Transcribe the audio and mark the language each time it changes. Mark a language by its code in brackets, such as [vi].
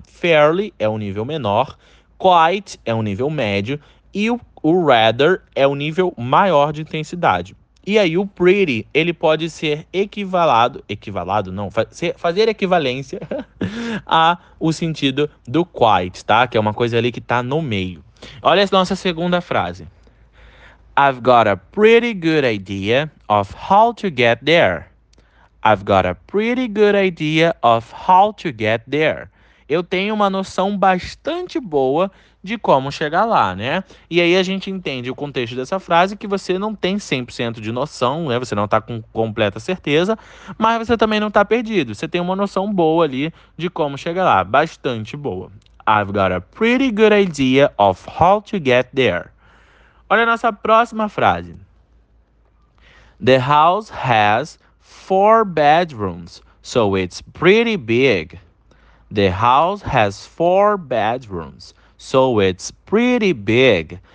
[pt] Fairly é o um nível menor, quite é um nível médio e o rather é o um nível maior de intensidade. E aí o pretty, ele pode ser equivalado não, fazer equivalência a o sentido do quite, tá? Que é uma coisa ali que tá no meio. Olha a nossa segunda frase. [en] I've got a pretty good idea of how to get there. I've got a pretty good idea of how to get there. [pt] Eu tenho uma noção bastante boa de como chegar lá, né? E aí a gente entende o contexto dessa frase que você não tem 100% de noção, né? Você não tá com completa certeza, mas você também não tá perdido. Você tem uma noção boa ali de como chegar lá, bastante boa. [en] I've got a pretty good idea of how to get there. [pt] Olha a nossa próxima frase. [en] The house has four bedrooms, so it's pretty big. The house has four bedrooms, so it's pretty big.